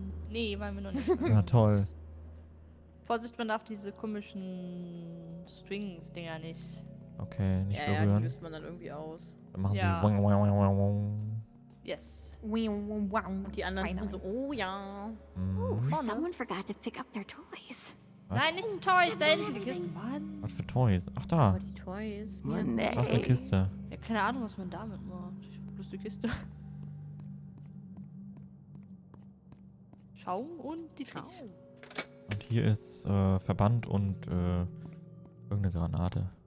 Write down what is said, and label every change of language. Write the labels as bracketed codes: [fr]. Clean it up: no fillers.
[de] Nee, waren wir noch nicht. Na toll. Vorsicht, man darf diese komischen Strings-Dinger nicht. Okay, nicht berühren. Ja, die löst man dann irgendwie aus. Dann machen sie. Wang, wang, wang, wang, wang. [en] Yes. [de] Und die anderen sind so, oh ja. [en] Oh, someone forgot to pick up their toys. [de] Nein, nicht die Toys, da hinten die Kiste. Was für Toys? Ach da. Aber die Toys. Nee. Was für eine Kiste? Ja, keine Ahnung, was man damit macht. Ich hab bloß die Kiste. Schaum und die Trich. Und hier ist Verband und irgendeine Granate.